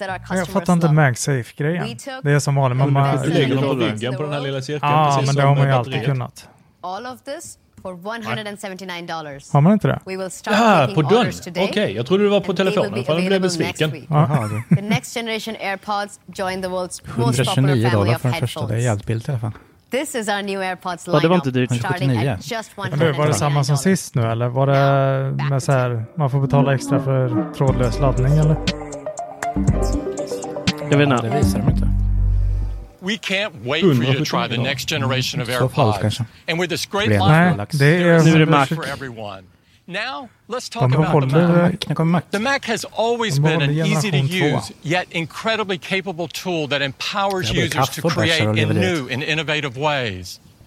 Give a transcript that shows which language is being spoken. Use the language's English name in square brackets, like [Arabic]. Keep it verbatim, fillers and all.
[Swedish] Jag fattar inte MagSafe-grejen. Det är som vanligt. Man bara lägger dem på ryggen på den här lilla cirkeln. Ja, ah, men det har man ju alltid kunnat. [English] All of this for one hundred seventy-nine dollars. [Swedish] Har man inte det? Ja, på dörren. Okej, okay, jag trodde det var på telefonen. För den blev besviken. [English] Aha, the next generation AirPods join the world's most popular family of headphones. [Swedish] Det är hjälpbild i alla fall. [English] This is our new AirPods [Swedish] ja, det var inte dyrt. Men var det samma som sist nu eller var det med så här, man får betala extra för trådlös laddning eller? Jag vet inte. Det visar de inte. [English] We can't wait for you to try the next generation of AirPods. And with this great lineup, there's Mac for everyone. Now, let's talk about the Mac. The Mac has always been an easy to use yet incredibly capable tool that empowers users to create in new and innovative ways.